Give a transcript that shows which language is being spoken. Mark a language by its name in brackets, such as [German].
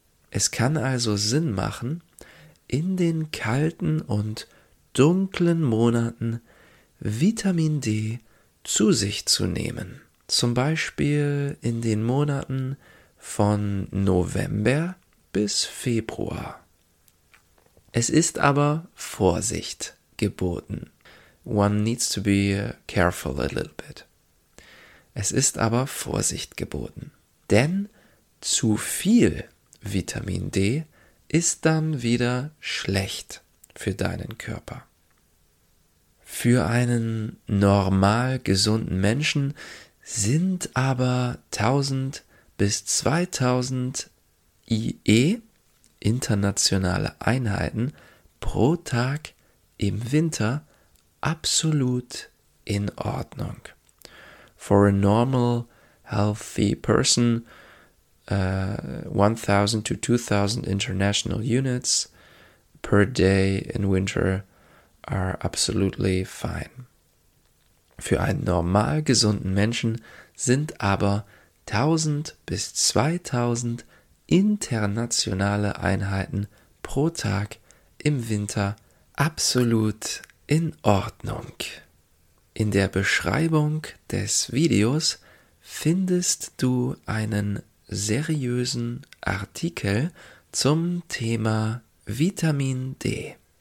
[German] Es kann also Sinn machen, in den kalten und dunklen Monaten Vitamin D zu sich zu nehmen. Zum Beispiel in den Monaten von November bis Februar. Es ist aber Vorsicht geboten. [English] One needs to be careful a little bit. [German] Es ist aber Vorsicht geboten. Denn zu viel Vitamin D ist dann wieder schlecht für deinen Körper. Für einen normal gesunden Menschen sind aber 1000 bis 2000 IE, internationale Einheiten, pro Tag im Winter absolut in Ordnung. [English] For a normal, healthy person, 1000 to 2000 international units per day in winter are absolutely fine. [German] Für einen normal gesunden Menschen sind aber 1000 bis 2000 internationale Einheiten pro Tag im Winter absolut in Ordnung. In der Beschreibung des Videos findest du einen seriösen Artikel zum Thema Vitamin D.